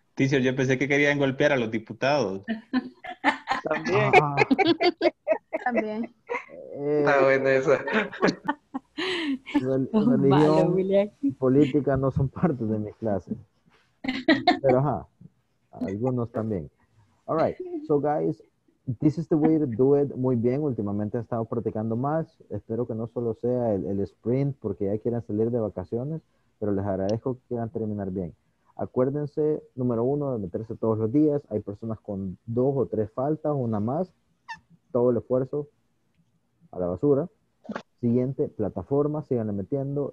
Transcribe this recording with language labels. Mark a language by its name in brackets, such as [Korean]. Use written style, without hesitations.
[Spanish] Teacher, yo pensé que querían golpear a los diputados. También. También. Está buena esa. Religión y política no son parte de mis clases. Pero ajá, algunos también. [English] All right, so guys, this is the way to do it. [Spanish] Muy bien, últimamente he estado practicando más. Espero que no solo sea el sprint porque ya quieren salir de vacaciones, pero les agradezco que quieran terminar bien. Acuérdense, número uno, de meterse todos los días. Hay personas con dos o tres faltas, una más. Todo el esfuerzo a la basura. Siguiente, plataforma, síganle metiendo.